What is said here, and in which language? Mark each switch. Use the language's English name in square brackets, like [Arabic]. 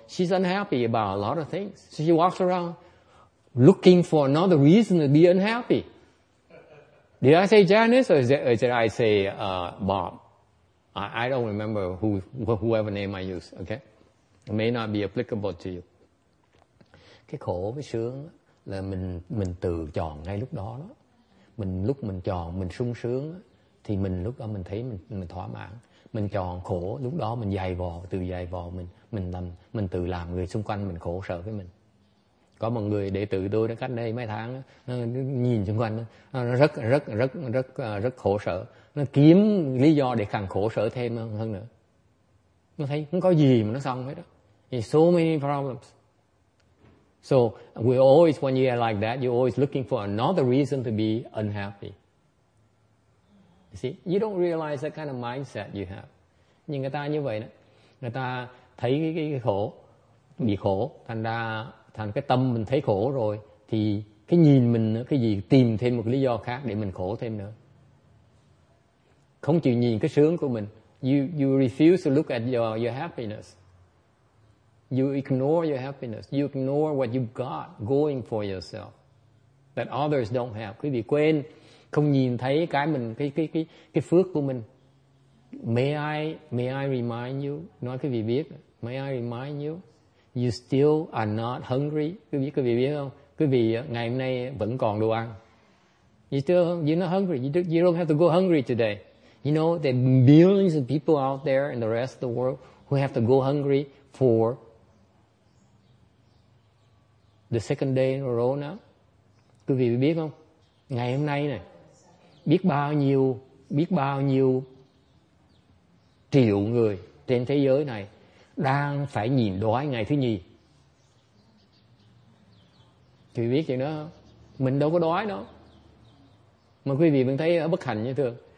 [English] She's unhappy about a lot of things. So she walks around looking for another reason to be unhappy. Did I say Janice or did I say Bob? I don't remember whoever name I use, okay? It may not be applicable to you. [Vietnamese] Cái khổ với sướng là mình tự chọn ngay lúc đó đó. Mình lúc mình chọn, mình sung sướng thì mình lúc đó mình thấy mình thỏa mãn, mình chọn khổ lúc đó mình dày vò, tự dày vò mình tự làm người xung quanh mình khổ sở với mình. Có một người đệ tử tôi đã cách đây mấy tháng nhìn xung quanh nó rất khổ sở, nó kiếm lý do để càng khổ sở thêm hơn nữa. Nó thấy không có gì mà nó xong hết đó. [English] It's so many problems. So we always, when you are like that, you're always looking for another reason to be unhappy. See, you don't realize that kind of mindset you have. [Vietnamese] Nhưng người ta như vậy đó. Người ta thấy cái khổ, bị khổ, thành cái tâm mình thấy khổ rồi, thì cái nhìn mình nữa, cái gì tìm thêm một lý do khác để mình khổ thêm nữa. Không chịu nhìn cái sướng của mình. [English] You refuse to look at your happiness. You ignore your happiness. You ignore what you've got going for yourself that others don't have. [Vietnamese] Quý vị quên, không nhìn thấy cái mình, cái phước của mình. [English] May I remind you, [Vietnamese] nói quý vị biết, [English] may I remind you, you still are not hungry. [Vietnamese] Quý vị biết không? Quý vị ngày hôm nay vẫn còn đồ ăn. [English] You're not hungry. You don't have to go hungry today. You know, there are millions of people out there in the rest of the world who have to go hungry for the second day in a row now. [Vietnamese] Quý vị biết không? Ngày hôm nay này, biết bao nhiêu triệu người trên thế giới này đang phải nhịn đói ngày thứ nhì. Quý vị biết chuyện đó không? Mình đâu có đói đâu. Mà quý vị vẫn thấy bất hạnh như thường.